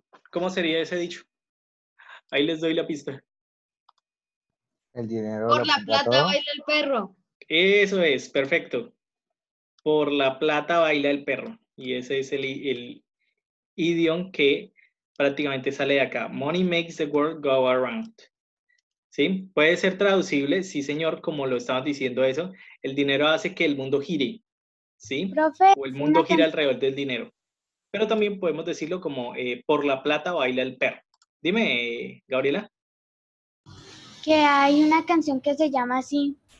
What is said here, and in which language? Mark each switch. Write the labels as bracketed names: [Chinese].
[Spanish] ¿Cómo sería ese dicho? Ahí les doy la pista. El dinero. Por la plata baila el perro. Eso es, perfecto. Por la plata baila el perro. Y ese es el idioma que prácticamente sale de acá. [English] Money makes the world go around. [Spanish] ¿Sí? Puede ser traducible, sí señor, como lo estabas diciendo eso. El dinero hace que el mundo gire. ¿Sí? Profe, o el mundo gira alrededor del dinero. Pero también podemos decirlo como por la plata baila el perro. Dime, Gabriela. Que hay una canción que se llama así.